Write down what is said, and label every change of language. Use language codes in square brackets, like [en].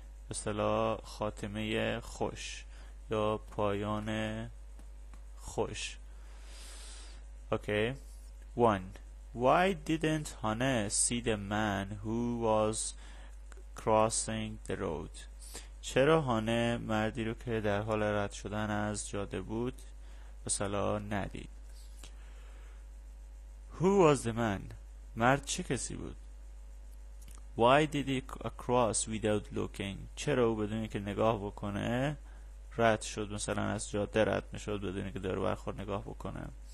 [fa] اصطلاح خاتمه خوش یا پایان خوش. [en] Okay. 1. Why didn't Hane see the man who was crossing the road? [fa] چرا هانه مردی رو که در حال رد شدن از جاده بود اصطلاح ندید؟ [en] Who was the man? [fa] مرد چه کسی بود؟ [en] Why did he cross without looking? [fa] چرا او بدون اینکه نگاه بکنه رد شد، مثلا از جاده رد میشد بدون اینکه دور و برخور نگاه بکنه.